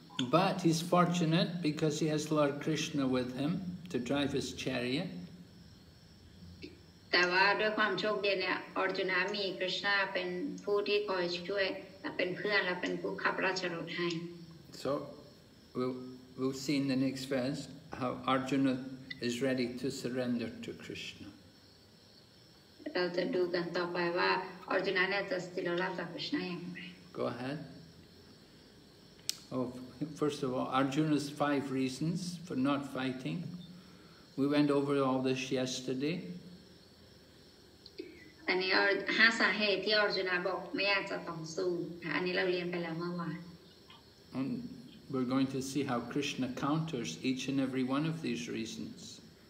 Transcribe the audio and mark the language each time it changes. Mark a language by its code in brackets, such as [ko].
[en] But he's fortunate because he has Lord Krishna with him to drive his chariot. [th] แต่ว่าด้วยความโชคดีเนี่ยอร์จุนะมีคริสนาเป็นผู้ที่คอยช่วยและเป็นเพื่อนและเป็นผู้ขับราชรถให้ [en] So. We'll see in the next verse how Arjuna is ready to surrender to Krishna. [th] ราจะดูกันต่อไปว่าอรจุนาเนี่ยจะสติลลาตาคุชนายังไง [en] Go ahead. Oh, first of all, Arjuna's five reasons for not fighting. We went over all this yesterday. [th] อันนี้ห้าสาเหตุที่อรจุนาบอกไม่อยากจะต่อสู้อันนี้เราเรียนไปแล้วเมื่อวาน [en] And we're going to see how Krishna counters each and every one of these reasons.